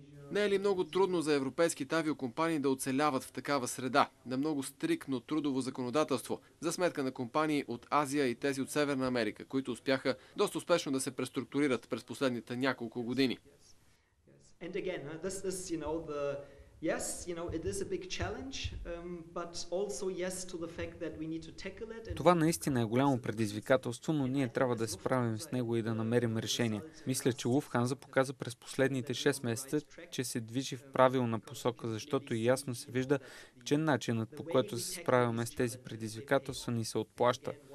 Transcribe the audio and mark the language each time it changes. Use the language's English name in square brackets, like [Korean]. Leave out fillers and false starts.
[Bulgarian] Не е ли много трудно за европейските авиокомпании да оцеляват в такава среда, на много стриктно трудово законодателство, за сметка на компании от Азия и тези от Северна Америка, които успяха доста успешно да се преструктурират през последните няколко години? [English] And again, this is, you know, the yes, you know, it is a big challenge, but also yes to the fact that we need to tackle it. [Bulgarian] Това наистина е голямо предизвикателство, но ние трябва да се справим с него и да намерим решение. Мисля, че Луфтханза показа през последните 6 месеца, че се движи в правилна посока, защото ясно се вижда, че начинът, по който се справяме с тези предизвикателства, ни се отплаща.